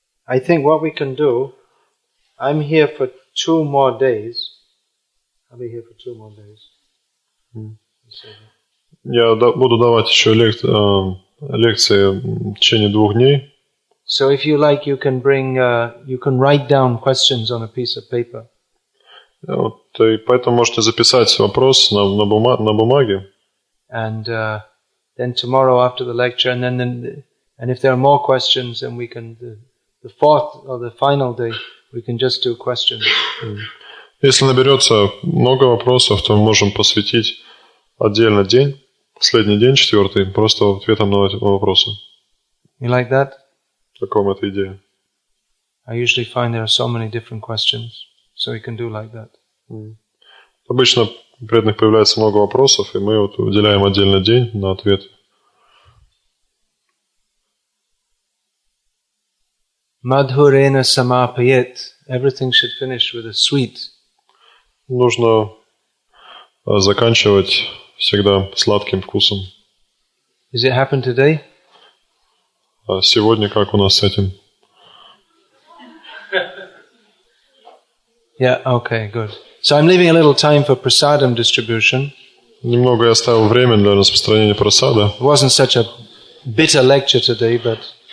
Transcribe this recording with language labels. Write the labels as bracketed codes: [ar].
[en] I think what we can do, I'm here for two more days. I'll be here for two more days. [ru] Я буду давать еще лекции в течение двух дней. [en] So if you like, you can bring, you can write down questions on a piece of paper. [ru] Вот, и поэтому можете записать вопрос на бумаге. [en] And then tomorrow after the lecture, and if there are more questions, then we can the fourth or the final day, we can just do questions. [ru] Если наберется много вопросов, то мы можем посвятить отдельно день, последний день, четвертый, просто ответом на вопросы. [en] You like that? [ru] Как вам эта идея? [en] I usually find there are so many different questions, so we can do like that. [ru] Обычно у преданных появляется много вопросов, и мы вот уделяем отдельно день на ответ. [sa] Madhurena samapayet. [en] Everything should finish with a sweet. [ru] Нужно заканчивать всегда сладким вкусом. [en] Is it happen today? [ru] А сегодня как у нас с этим? [en] Yeah, okay, good. So I'm leaving a little time for prasadam distribution. [ru] Немного я оставил время для распространения прасада. [en] It wasn't such a bitter lecture today, but